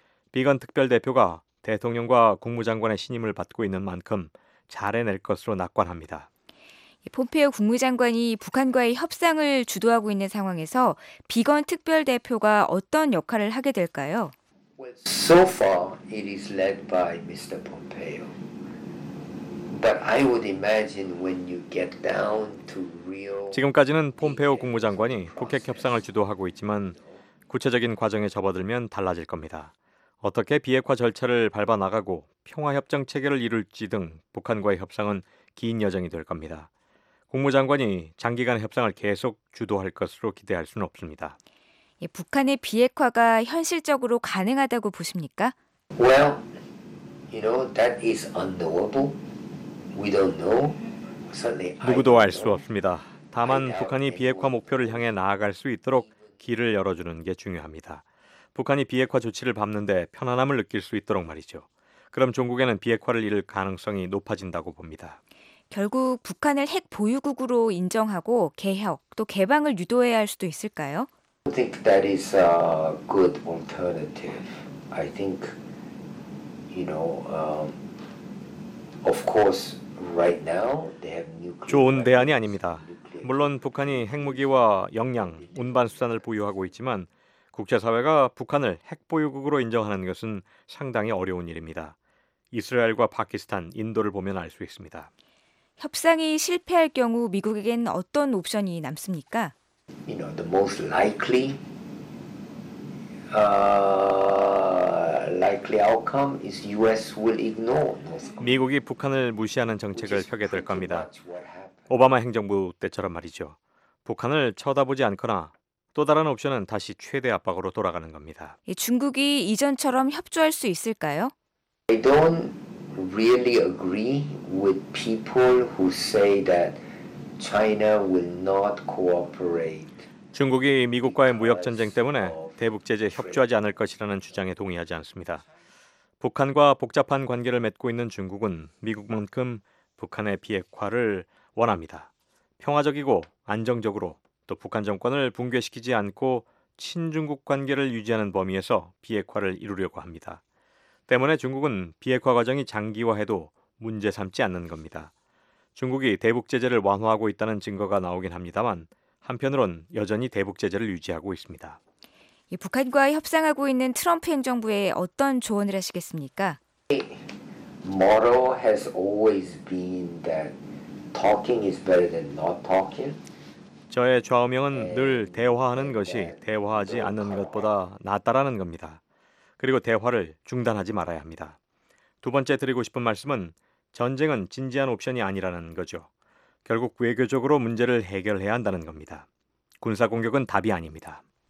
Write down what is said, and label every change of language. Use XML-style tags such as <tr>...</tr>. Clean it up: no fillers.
<ko>비건 특별대표가 대통령과 국무장관의 신임을 받고 있는 만큼 잘 해낼 것으로 낙관합니다. 폼페이오 국무장관이 북한과의 협상을 주도하고 있는 상황에서 비건 특별대표가 어떤 역할을 하게 될까요?</ko> <en>So far, it is led by Mr. Pompeo. But I would imagine when you get down to real.</en> <ko>지금까지는 폼페이오 국무장관이 북핵 협상을 주도하고 있지만 구체적인 과정에 접어들면 달라질 겁니다. 어떻게 비핵화 절차를 밟아 나가고 평화 협정 체결을 이룰지 등 북한과의 협상은 긴 여정이 될 겁니다. 국무장관이 장기간 협상을 계속 주도할 것으로 기대할 수는 없습니다. 예, 북한의 비핵화가 현실적으로 가능하다고 보십니까?</ko> <en>Well, you know that is unknowable. We don't know. Certainly,</en> <ko>누구도 알 수 없습니다. 다만 북한이 비핵화 목표를 향해 나아갈 수 있도록 길을 열어주는 게 중요합니다. 북한이 비핵화 조치를 밟는데 편안함을 느낄 수 있도록 말이죠. 그럼 종국에는 비핵화를 이룰 가능성이 높아진다고 봅니다. 결국 북한을 핵 보유국으로 인정하고 개혁 또 개방을 유도해야 할 수도 있을까요?</ko> <en>I think that is a good alternative. I think, you know, of course, right now they have nuclear.</en> <ko>좋은 대안이 아닙니다. 물론 북한이 핵무기와 역량, 운반 수단을 보유하고 있지만 국제사회가 북한을 핵 보유국으로 인정하는 것은 상당히 어려운 일입니다. 이스라엘과 파키스탄, 인도를 보면 알 수 있습니다. 협상이 실패할 경우 미국에겐 어떤 옵션이 남습니까?</ko> <en>You know, the most likely, likely outcome is US will ignore North Korea.</en> <ko>미국이 북한을 무시하는 정책을 펴게 될 겁니다. 오바마 행정부 때처럼 말이죠. 북한을 쳐다보지 않거나 또 다른 옵션은 다시 최대 압박으로 돌아가는 겁니다. 중국이 이전처럼 협조할 수 있을까요?</ko> <en>I don't really agree with people who say that China will not cooperate.</en> <ko>중국이 미국과의 무역 전쟁 때문에 대북 제재에 협조하지 않을 것이라는 주장에 동의하지 않습니다. 북한과 복잡한 관계를 맺고 있는 중국은 미국만큼 북한의 비핵화를 원합니다. 평화적이고 안정적으로 또 북한 정권을 붕괴시키지 않고 친중국 관계를 유지하는 범위에서 비핵화를 이루려고 합니다. 때문에 중국은 비핵화 과정이 장기화해도 문제 삼지 않는 겁니다. 중국이 대북 제재를 완화하고 있다는 증거가 나오긴 합니다만 한편으론 여전히 대북 제재를 유지하고 있습니다. 이 북한과 협상하고 있는 트럼프 행정부에 어떤 조언을 하시겠습니까?</ko> <en>The motto has always been that talking is better than not talking.</en> <ko>저의 좌우명은 늘 대화하는 것이 대화하지 않는 것보다 낫다라는 겁니다. 그리고 대화를 중단하지 말아야 합니다. 두 번째 드리고 싶은 말씀은 전쟁은 진지한 옵션이 아니라는 거죠. 결국 외교적으로 문제를 해결해야 한다는 겁니다. 군사공격은 답이 아닙니다.</ko>